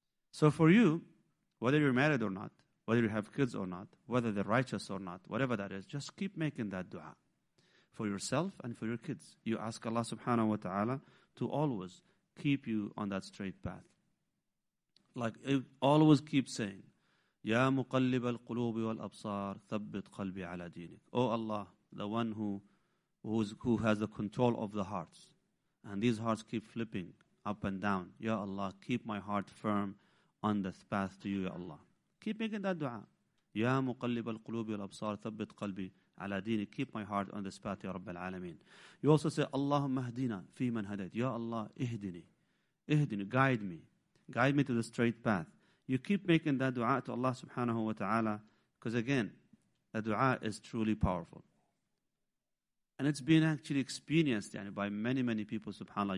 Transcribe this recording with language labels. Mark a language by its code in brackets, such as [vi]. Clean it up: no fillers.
[en] So for you, whether you're married or not, whether you have kids or not, whether they're righteous or not, whatever that is, just keep making that dua for yourself and for your kids. You ask Allah subhanahu wa ta'ala to always keep you on that straight path. Like, always keep saying, [ar] يا مقلب القلوب والأبصار ثبت قلبي على دينك. [en] Oh Allah, the one who has the control of the hearts, and these hearts keep flipping up and down. Ya Allah, keep my heart firm on the path to you, Ya Allah. Keep making that dua. [ar] Ya مقلب القلوب والأبصار ثبت قلبي على دينك. [en] Keep my heart on this path, Ya رب العالمين. You also say, [ar] اللهم اهدنا في من هديت. Ya Allah, اهدني. [en] اهدني. Guide me. Guide me to the straight path. You keep making that dua to Allah subhanahu wa ta'ala, because again, a dua is truly powerful. And it's been actually experienced by many, many people, subhanAllah.